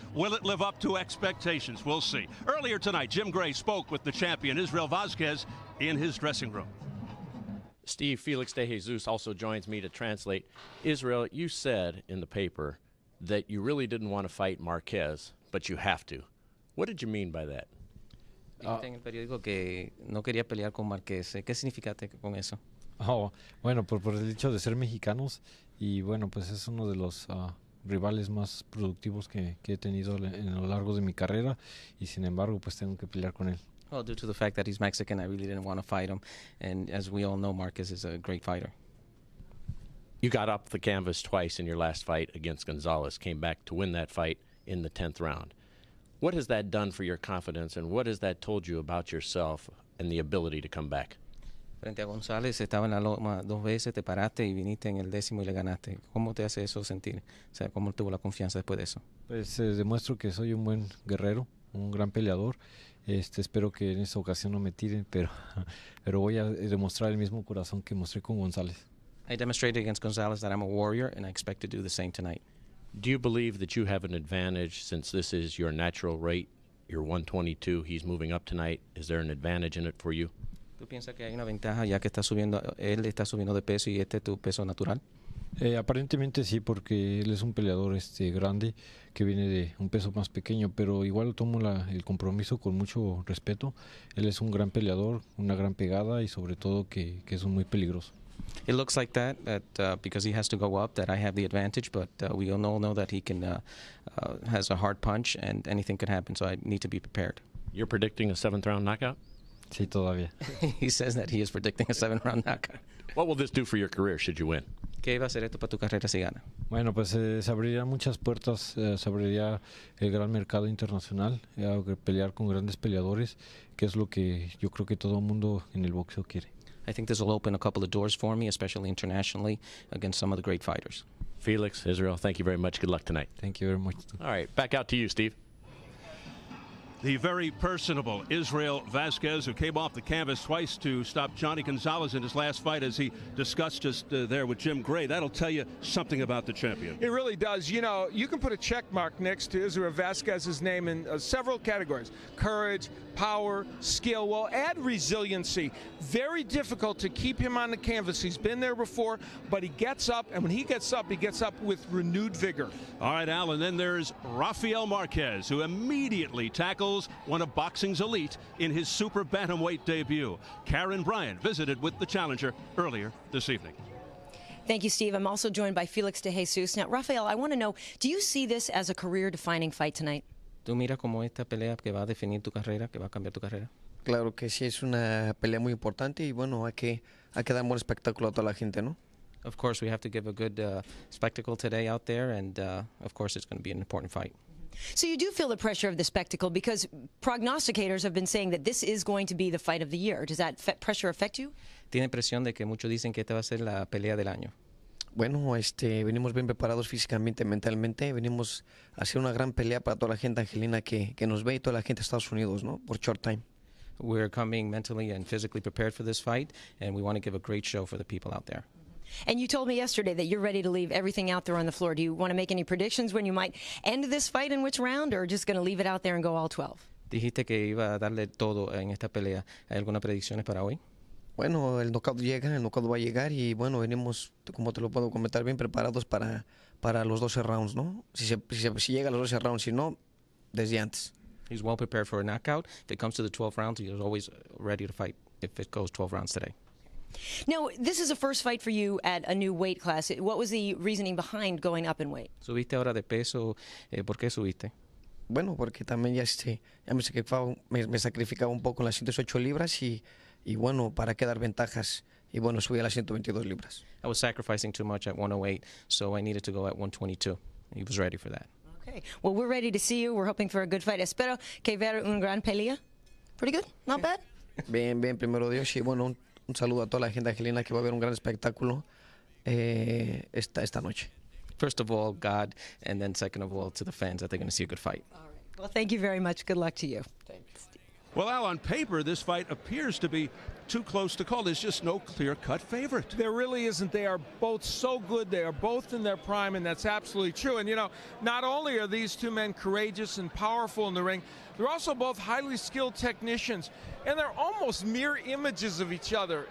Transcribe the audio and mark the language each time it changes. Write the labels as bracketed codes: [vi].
[en] Will it live up to expectations? We'll see. Earlier tonight, Jim Gray spoke with the champion Israel Vazquez in his dressing room. Steve, Felix De Jesus also joins me to translate. Israel, you said in the paper that you really didn't want to fight Marquez, but you have to. What did you mean by that? [es] Dijiste en el periódico que no quería pelear con Marquez. ¿Qué significa con eso? Oh, bueno, por el hecho de ser mexicanos y bueno, pues es uno de los rivales más productivos que he tenido en lo largo de mi carrera y sin embargo pues tengo que pelear con él. [en] Well, due to the fact that he's Mexican, I really didn't want to fight him, and as we all know, Marquez is a great fighter. You got up the canvas twice in your last fight against Gonzalez, came back to win that fight in the 10th round. What has that done for your confidence, and what has that told you about yourself and the ability to come back? [es] Frente a González, estaba en la loma dos veces, te paraste y viniste en el décimo y le ganaste. ¿Cómo te hace eso sentir? O sea, ¿cómo tuvo la confianza después de eso? Pues demuestro que soy un buen guerrero, un gran peleador. Espero que en esta ocasión no me tiren, pero voy a demostrar el mismo corazón que mostré con González. [en] I demonstrated against González that I'm a warrior and I expect to do the same tonight. Do you believe that you have an advantage since this is your natural rate? You're 122, he's moving up tonight. Is there an advantage in it for you? [es] ¿Tú piensas que hay una ventaja ya que está subiendo, él está subiendo de peso y este es tu peso natural? Aparentemente sí, porque él es un peleador grande que viene de un peso más pequeño, pero igual tomo el compromiso con mucho respeto. Él es un gran peleador, una gran pegada y sobre todo que es muy peligroso. [en] It looks like that, because he has to go up, that I have the advantage, but we all know that he can has a hard punch and anything could happen, so I need to be prepared. You're predicting a 7th round knockout? [es] Sí, todavía. [en] He says that he is predicting a 7th round knockout. What will this do for your career should you win? [es] ¿Qué va a hacer esto para tu carrera si gana? Bueno, pues se abrirían muchas puertas, se abriría el gran mercado internacional, pelear con grandes peleadores, que es lo que yo creo que todo mundo en el boxeo quiere. [en] I think this will open a couple of doors for me, especially internationally, against some of the great fighters. Felix, Israel, thank you very much. Good luck tonight. Thank you very much. All right, back out to you, Steve. The very personable Israel Vazquez, who came off the canvas twice to stop Johnny Gonzalez in his last fight, as he discussed just there with Jim Gray. That'll tell you something about the champion. It really does. You know, you can put a check mark next to Israel Vazquez's name in several categories: courage, power, skill. Well, add resiliency. Very difficult to keep him on the canvas. He's been there before, but he gets up, and when he gets up with renewed vigor. All right, Al, and then there's Rafael Marquez, who immediately tackles Hills, one of boxing's elite, in his super bantamweight debut. Karen Bryant visited with the challenger earlier this evening. Thank you, Steve. I'm also joined by Felix De Jesus. Now, Rafael, I want to know, do you see this as a career-defining fight tonight? [es] ¿Tú miras como esta pelea que va a definir tu carrera, que va a cambiar tu carrera? Claro que sí, es una pelea muy importante y bueno, hay que dar un buen espectáculo a toda la gente, ¿no? [en] Of course, we have to give a good spectacle today out there, and of course, it's going to be an important fight. So you do feel the pressure of the spectacle because prognosticators have been saying that this is going to be the fight of the year. Does that pressure affect you? [es] Tiene presión de que muchos dicen que esta va a ser la pelea del año. Bueno, venimos bien preparados físicamente, mentalmente. Venimos a hacer una gran pelea para toda la gente angelina que nos ve y toda la gente de Estados Unidos, ¿no? Por short time. [en] We're coming mentally and physically prepared for this fight, and we want to give a great show for the people out there. And you told me yesterday that you're ready to leave everything out there on the floor. Do you want to make any predictions when you might end this fight in which round, or just going to leave it out there and go all 12? [es] Dijiste que iba a darle todo en esta pelea. ¿Hay alguna predicción para hoy? Bueno, el knockout llega, el knockout va a llegar, y bueno, venimos, como te lo puedo comentar, bien preparados para los 12 rounds, ¿no? Si llega a los 12 rounds, si no, desde antes. [en] He's well prepared for a knockout. If it comes to the 12 rounds, he's always ready to fight if it goes 12 rounds today. Now, this is a first fight for you at a new weight class. What was the reasoning behind going up in weight? [es] ¿Subiste ahora de peso? ¿Por qué subiste? Bueno, porque también ya me sacrificaba un poco en las 108 libras y bueno, para quedar ventajas. Y bueno, subí a las 122 libras. [en] I was sacrificing too much at 108, so I needed to go at 122. He was ready for that. Okay. Well, we're ready to see you. We're hoping for a good fight. [es] Espero que ver una gran pelea. [en] Pretty good. Not bad. [es] Bien, bien. Primero Dios. Y bueno, un saludo a toda la gente angelina que va a ver un gran espectáculo esta noche. [en] First of all, God. And then second of all, to the fans that they're going to see a good fight. All right. Well, thank you very much. Good luck to you. Thanks. Well, Al, on paper, this fight appears to be too close to call. There's just no clear-cut favorite. There really isn't. They are both so good. They are both in their prime, and that's absolutely true. And, you know, not only are these two men courageous and powerful in the ring, they're also both highly skilled technicians, and they're almost mirror images of each other.